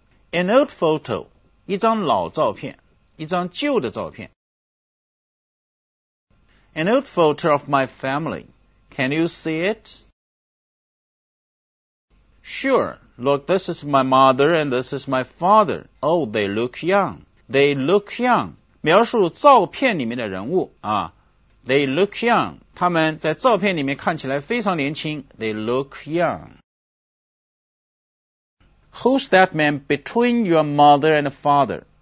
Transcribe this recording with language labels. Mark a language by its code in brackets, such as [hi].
[en] An old photo, [zh] 一张老照片，一张旧的照片。 [en] An old photo of my family. Can you see it? Sure. Look, this is my mother and this is my father. Oh, they look young. They look young. [zh] 描述照片里面的人物啊。 [en] They look young. [zh] 他们在照片里面看起来非常年轻。 [en] They look young. Who's that man between your mother and father?